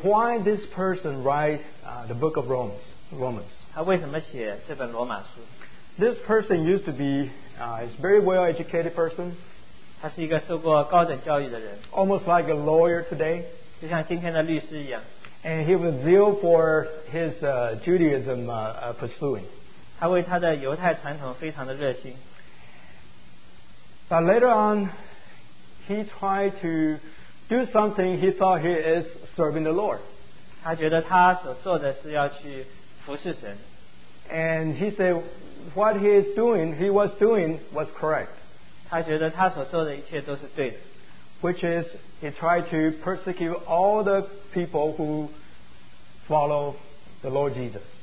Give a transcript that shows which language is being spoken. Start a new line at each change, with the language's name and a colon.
English: why this person write the book of Romans?
Chinese: 他为什么写这本罗马书？
English: This person used to be a very well educated person.
Chinese: 他是一个受过高等教育的人,
English: almost like a lawyer today.
Chinese: 就像今天的律师一样,
English: and he was zeal for his Judaism pursuing.
Chinese: 他为他的犹太传统非常的热心.
English: But later on, he tried to do something he thought he is serving the Lord.
Chinese: 他觉得他所做的是要去服侍神.
English: And he said, what he is doing, he was doing, was correct. Which is, he tried to persecute all the people who follow the Lord Jesus.